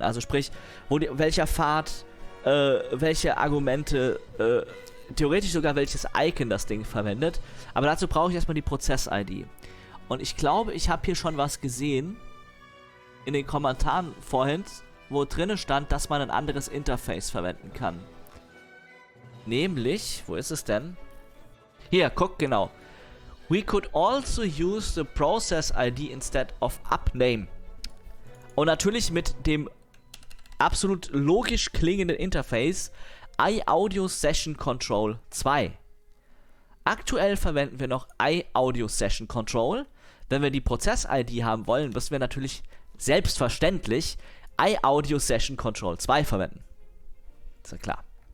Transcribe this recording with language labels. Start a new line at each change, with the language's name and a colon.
German: Also sprich, welcher Pfad, welche Argumente, theoretisch sogar welches Icon das Ding verwendet. Aber dazu brauche ich erstmal die Prozess-ID. Und ich glaube, ich habe hier schon was gesehen in den Kommentaren vorhin, wo drinne stand, dass man ein anderes Interface verwenden kann. Nämlich, wo ist es denn? Hier, guck, genau.
English: We could also use the process ID instead of upname.
German: Und natürlich mit dem absolut logisch klingenden Interface iAudio Session Control 2. Aktuell verwenden wir noch iAudio Session Control. Wenn wir die Prozess ID haben wollen, müssen wir natürlich selbstverständlich iAudio Session Control 2 verwenden. Ist ja klar.